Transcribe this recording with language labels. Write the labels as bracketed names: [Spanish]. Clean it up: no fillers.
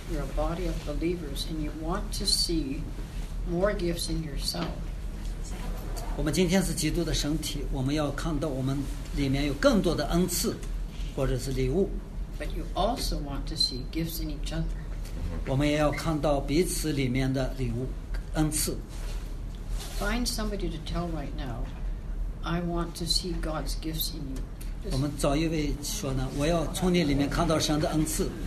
[English] You're a body of believers, and you want to see more gifts in yourself. [Chinese] 我们今天是基督的身体，我们要看到我们里面有更多的恩赐或者是礼物。 [English] But you also want to see gifts in each other. [Chinese] 我们也要看到彼此里面的礼物恩赐。 [English] Find somebody to tell right now, I want to see God's gifts in you. [Chinese] 我们找一位说呢，我要从你里面看到神的恩赐。